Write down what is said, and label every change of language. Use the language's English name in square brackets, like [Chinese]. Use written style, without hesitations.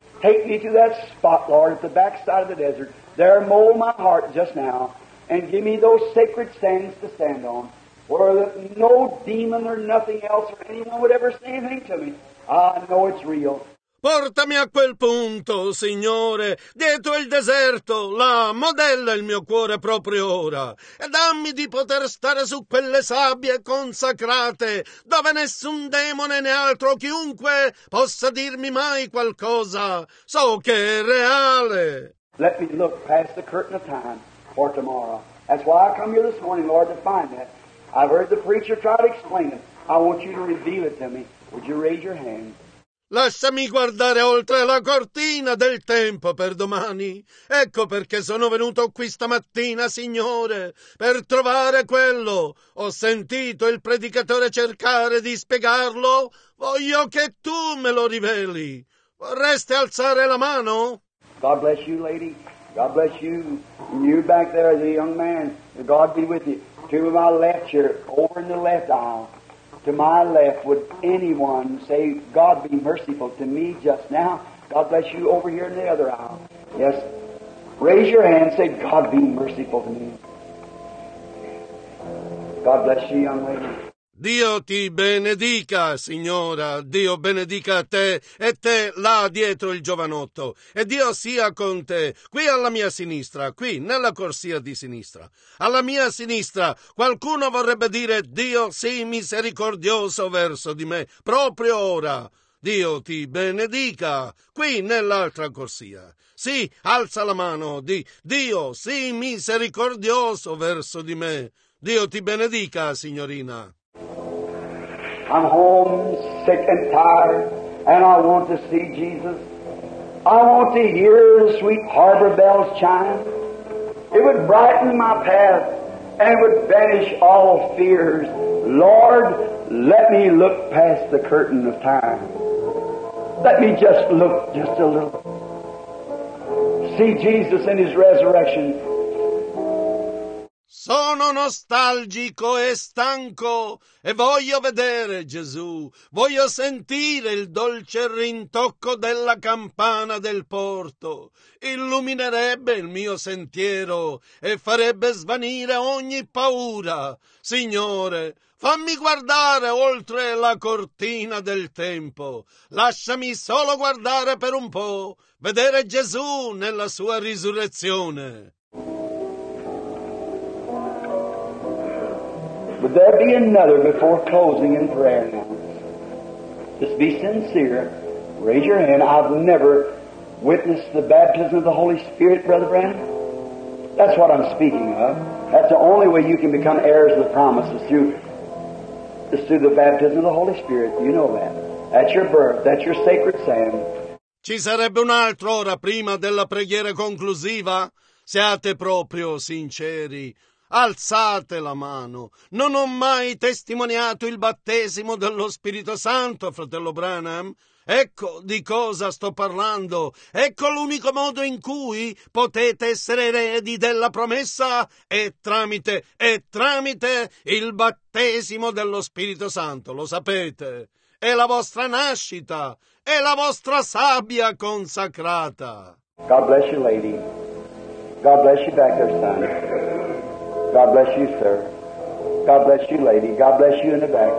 [English] Take me to that spot, Lord, at the backside of the desert. There mold my heart just now, and give me those sacred sands to stand on. Or that no demon or nothing else or anyone would ever say anything to me. I know it's real. [Italian] Portami a quel punto, Signore, dietro il deserto, là, modella il mio cuore proprio ora, e dammi di poter stare su quelle sabbie consacrate, dove nessun demone né altro chiunque possa dirmi mai qualcosa. So che è reale. [English] Let me look past the curtain of time for tomorrow. That's why I come here this morning, Lord, to find that. I've heard the preacher try to explain it. I want you to reveal it to me. Would you raise your hand? [Italian] Lasciami guardare oltre la cortina del tempo per domani. Ecco perché sono venuto qui stamattina, Signore, per trovare quello. Ho sentito il predicatore cercare di spiegarlo. Voglio che tu me lo riveli. Vorreste alzare la mano? [English] God bless you, lady. God bless you. And you back there, the young man. God be with you. To my left here, over in the left aisle, to my left, would anyone say, God be merciful to me just now? God bless you over here in the other aisle. Yes. Raise your hand, say, God be merciful to me. God bless you, young lady. [Italian] Dio ti benedica, signora. Dio benedica te e te là dietro il giovanotto. E Dio sia con te, qui alla mia sinistra, qui nella corsia di sinistra. Alla mia sinistra qualcuno vorrebbe dire Dio sii misericordioso verso di me, proprio ora. Dio ti benedica, qui nell'altra corsia. Sì, alza la mano, di Dio sii misericordioso verso di me. Dio ti benedica, signorina. [English] I'm home, sick and tired, and I want to see Jesus. I want to hear the sweet harbor bells chime. It would brighten my path, and it would banish all fears. Lord, let me look past the curtain of time. Let me just look just a little. See Jesus in his resurrection. [Italian] Sono nostalgico e stanco e voglio vedere Gesù, voglio sentire il dolce rintocco della campana del porto. Illuminerebbe il mio sentiero e farebbe svanire ogni paura. Signore, fammi guardare oltre la cortina del tempo. Lasciami solo guardare per un po', vedere Gesù nella sua risurrezione. [English] Would there be another before closing in prayer? Just be sincere. Raise your hand. I've never witnessed the baptism of the Holy Spirit, Brother Branham. That's what I'm speaking of. That's the only way you can become heirs of the promise, is through the baptism of the Holy Spirit. You know that. That's your birth. That's your sacred sand. [Italian] Ci sarebbe un'altra ora prima della preghiera conclusiva? Siate proprio sinceri. Alzate la mano. Non ho mai testimoniato il battesimo dello Spirito Santo, fratello Branham. Ecco Di cosa sto parlando. Ecco l'unico modo in cui potete essere eredi della promessa è tramite il battesimo dello Spirito Santo. Lo sapete. È la vostra nascita. È la vostra sabbia consacrata. [English] God bless you, lady. God bless you back there, son. God bless you, sir. God bless you, lady. God bless you in the back.